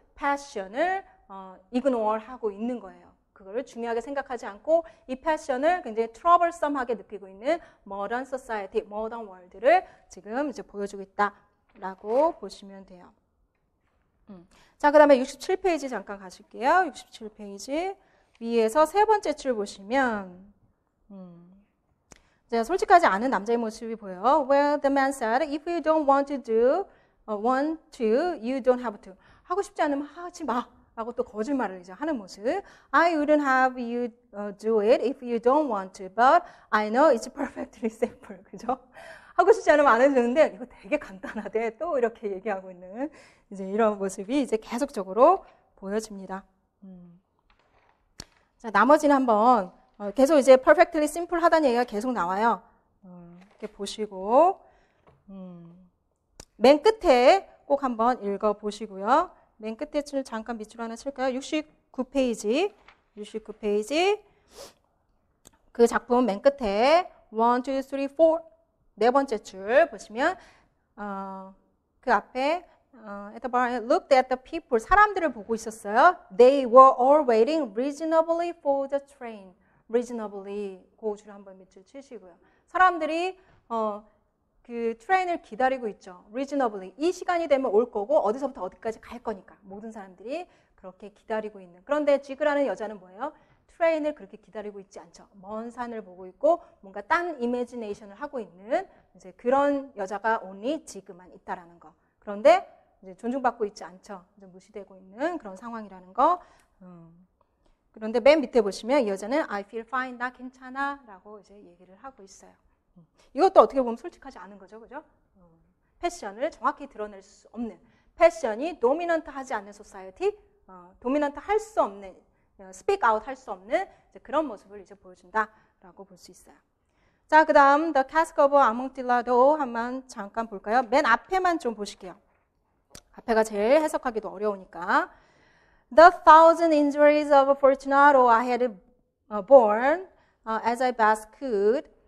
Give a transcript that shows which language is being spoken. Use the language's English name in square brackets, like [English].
[Korean] 패션을 ignore 하고 있는 거예요. 그거를 중요하게 생각하지 않고 이 패션을 굉장히 troublesome하게 느끼고 있는 [English] modern society, modern world [Korean] 를 지금 이제 보여주고 있다라고 보시면 돼요. 자, 그 다음에 67페이지 잠깐 가실게요. 67페이지 위에서 세 번째 줄 보시면 제가 솔직하지 않은 남자의 모습이 보여. [English] Well, the man said, if you don't want to do, want to, you don't have to. [Korean] 하고 싶지 않으면 하지 마. 라고 또 거짓말을 이제 하는 모습. [English] I wouldn't have you do it if you don't want to, but I know it's perfectly simple. [Korean] 그죠? 하고 싶지 않으면 안 해주는데, 이거 되게 간단하대. 또 이렇게 얘기하고 있는 이제 이런 모습이 이제 계속적으로 보여집니다. 자, 나머지는 한번 계속 이제 [English] perfectly simple [Korean] 하다는 얘기가 계속 나와요. 이렇게 보시고, 맨 끝에 꼭 한번 읽어 보시고요. 맨 끝에 잠깐 밑줄 하나 칠까요? 69페이지. 69페이지. 그 작품 맨 끝에 1, 2, 3, 4. 네 번째 줄 보시면 그 앞에 [English] at the bar, I looked at the people. [Korean] 사람들을 보고 있었어요. [English] They were all waiting reasonably for the train. Reasonably. [Korean] 그 줄을 한번 밑줄 치시고요. 사람들이 그 트레인을 기다리고 있죠. [English] Reasonably. [Korean] 이 시간이 되면 올 거고 어디서부터 어디까지 갈 거니까 모든 사람들이 그렇게 기다리고 있는. 그런데 지그라는 여자는 뭐예요? 트레인을 그렇게 기다리고 있지 않죠. 먼 산을 보고 있고 뭔가 딴 이미지네이션을 하고 있는 이제 그런 여자가 오니 지그만 있다라는 거. 그런데 이제 존중받고 있지 않죠. 이제 무시되고 있는 그런 상황이라는 거. 그런데 맨 밑에 보시면 이 여자는 [English] I feel fine, [Korean] 나 괜찮아라고 이제 얘기를 하고 있어요. 이것도 어떻게 보면 솔직하지 않은 거죠, 그죠? 패션을 정확히 드러낼 수 없는 패션이 도미넌트하지 않는 소사이어티, 도미넌트 할수 없는 스피크 아웃 할수 없는 이제 그런 모습을 이제 보여준다라고 볼수 있어요. 자, 그다음 The Cask of Amontillado 한번 잠깐 볼까요? 맨 앞에만 좀 보실게요. 앞에가 제일 해석하기도 어려우니까. [English] The thousand injuries of Fortunato I had borne as I best could.